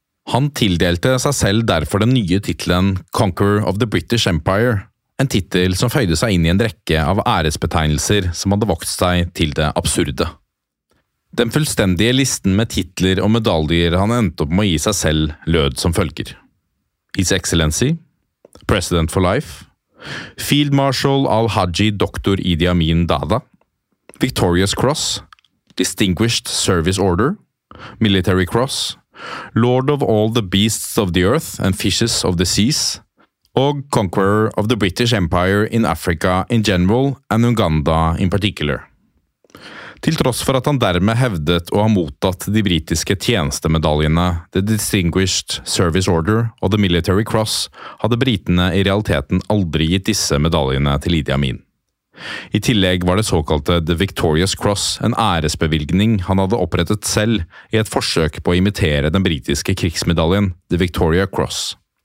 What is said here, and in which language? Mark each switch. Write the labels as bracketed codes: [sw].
[no] Han tildelte seg selv derfor den nye tittelen «Conqueror of the British Empire», en tittel som føyde seg inn i en rekke av æresbetegnelser som hadde vokst seg til det absurde. Den fullstendige listen med titler og medaljer han endte opp med å gi seg selv lød som følger. [en] His Excellency, President for Life, Field Marshal Al-Haji Dr. Idi Amin Dada, Victorious Cross, Distinguished Service Order, Military Cross, Lord of All the Beasts of the Earth and Fishes of the Seas, og Conqueror of the British Empire in Africa in general and Uganda in particular. [no] Til tross for at han dermed hevdet å ha mottatt de britiske tjenestemedaljene, The Distinguished Service Order og The Military Cross, hadde britene i realiteten aldri gitt disse medaljene til Idi Amin. I tillegg var det såkalte The Victorious Cross en æresbevilgning han hadde opprettet selv i et forsøk på å imitere den britiske krigsmedaljen, The Victoria Cross.